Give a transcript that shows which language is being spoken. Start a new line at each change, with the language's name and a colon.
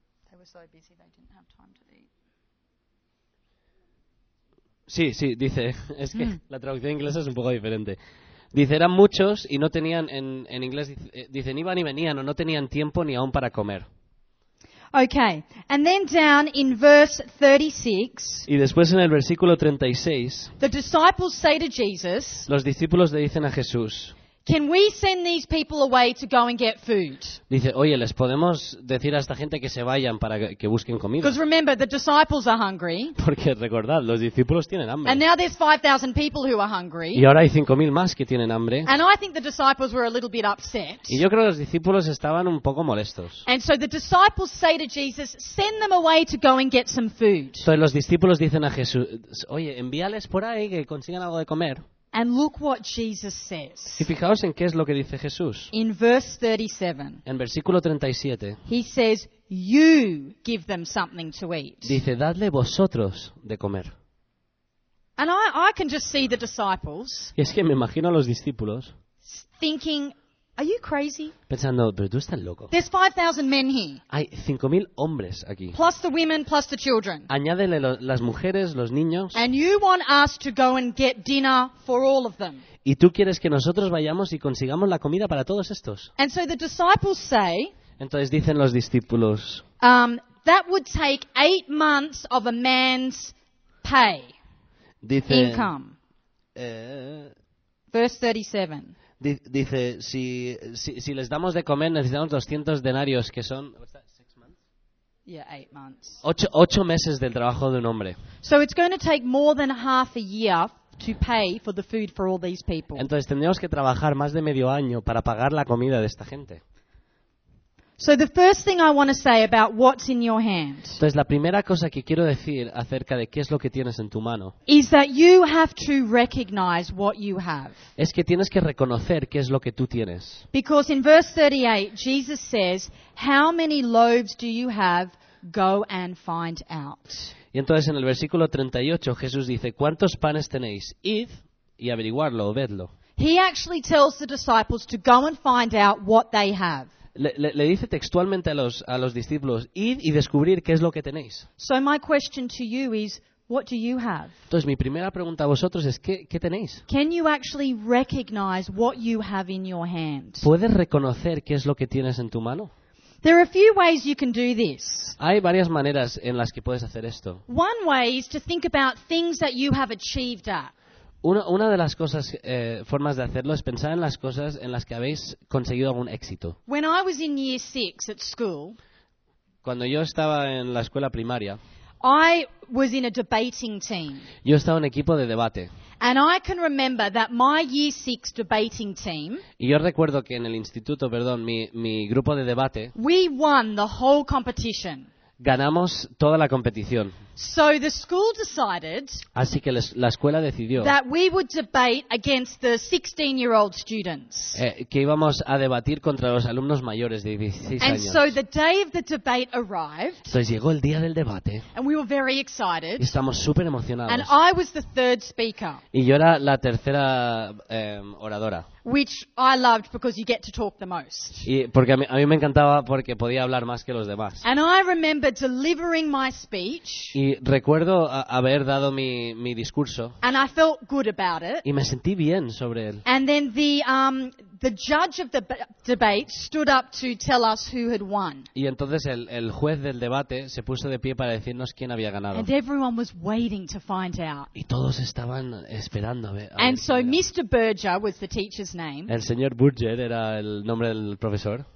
English: They were so busy they didn't have time to eat.
Spanish: Sí, sí, dice, es que la traducción inglesa es un poco diferente. Dice, eran muchos y no tenían, en inglés dice, ni iban y venían o no tenían tiempo ni aún para comer.
English: Okay, and then down in verse 36.
Spanish: Y después en el versículo 36.
English: The disciples say to Jesus.
Spanish: Los discípulos le dicen a Jesús.
English: Can we send these people away to go and get food?
Spanish: Dice, oye, les podemos decir a esta gente que se vayan para que busquen comida.
English: Because remember, the disciples are hungry.
Spanish: Porque recordad, los discípulos tienen hambre.
English: And now there's 5,000 people who are hungry.
Spanish: Y ahora hay 5,000 más que tienen hambre.
English: And I think the disciples were a little bit upset.
Spanish: Y yo creo que los discípulos estaban un poco molestos.
English: And so the disciples say to Jesus, send them away to go and get some food.
Spanish: Entonces los discípulos dicen a Jesús, oye, envíales por ahí que consigan algo de comer.
English: And look what Jesus says.
Spanish: Y fijaos en qué es lo que dice Jesús.
English: In verse 37.
Spanish: En versículo 37.
English: He says, "You give them something to eat."
Spanish: Dice, "Dadle vosotros de comer."
English: And I can just see the disciples.
Spanish: Y es que me imagino a los discípulos.
English: Thinking, Are you crazy?
Spanish: Pensando, pero tú estás loco.
English: There's 5,000 men here.
Spanish: Hay 5,000 hombres aquí.
English: Plus the women, plus the children.
Spanish: Añádele las mujeres, los niños.
English: And you want us to go and get dinner for all of them.
Spanish: Y tú quieres que nosotros vayamos y consigamos la comida para todos estos.
English: And so the disciples say.
Spanish: Entonces dicen los discípulos.
English: That would take 8 months of a man's pay.
Spanish: Dice,
English: income. Verse 37.
Spanish: Dice, si les damos de comer, necesitamos 200 denarios, que son...
English: Eight months.
Spanish: Ocho meses del trabajo de un hombre.
English: So it's going to take more than half a year to pay for the food for all these people.
Spanish: Entonces tendríamos que trabajar más de medio año para pagar la comida de esta gente.
English: So the first thing I want to say about what's in your hand.
Spanish: Entonces la primera cosa que quiero decir acerca de qué es lo que tienes en tu mano.
English: Is that you have to recognize what you have.
Spanish: Es que tienes que reconocer qué es lo que tú tienes.
English: Because in verse 38 Jesus says, "How many loaves do you have? Go and find out."
Spanish: Y entonces en el versículo 38 Jesús dice, "¿Cuántos panes tenéis? Id y averiguarlo, o vedlo."
English: He actually tells the disciples to go and find out what they have.
Spanish: Le dice textualmente a los discípulos, id y descubrir qué es lo que tenéis.
English: So my question to you is, what do you have?
Spanish: Entonces mi primera pregunta a vosotros es, ¿qué tenéis?
English: Can you actually recognize what you have in your hand?
Spanish: ¿Puedes reconocer qué es lo que tienes en tu mano?
English: There are a few ways you can do this.
Spanish: Hay varias maneras en las que puedes hacer esto.
English: One way is to think about things that you have achieved at.
Spanish: Una de las cosas, formas de hacerlo es pensar en las cosas en las que habéis conseguido algún éxito.
English: When I was in year six at school,
Spanish: cuando yo estaba en la escuela primaria,
English: I was in a debating team.
Spanish: Yo estaba en equipo de debate.
English: And I can remember that my year six debating team.
Spanish: Y yo recuerdo que en el instituto, perdón, mi grupo de debate.
English: We won the whole competition.
Spanish: Ganamos toda la competición.
English: So the school decided.
Spanish: Así que la escuela decidió.
English: That we would debate against the 16-year-old students.
Spanish: Que íbamos a debatir contra los alumnos mayores de 16 años.
English: And so the day of the debate arrived.
Spanish: Entonces llegó el día del debate.
English: And we were very excited.
Spanish: Y estamos súper emocionados.
English: And I was the third speaker.
Spanish: Y yo era la tercera oradora.
English: Which I loved because you get to talk the most.
Spanish: Y porque a mí me encantaba porque podía hablar más que los demás.
English: And I remember delivering my speech.
Spanish: Y recuerdo haber dado mi discurso.
English: And I felt good about it.
Spanish: Y me sentí bien sobre él.
English: And then the judge of the debate stood up to tell us who had won.
Spanish: Y entonces el juez del debate se puso de pie para decirnos quién había ganado.
English: And everyone was waiting to find out.
Spanish: Y todos estaban esperando a ver.
English: And so Mr. Berger was the teacher's name.
Spanish: El señor Berger era el nombre del profesor.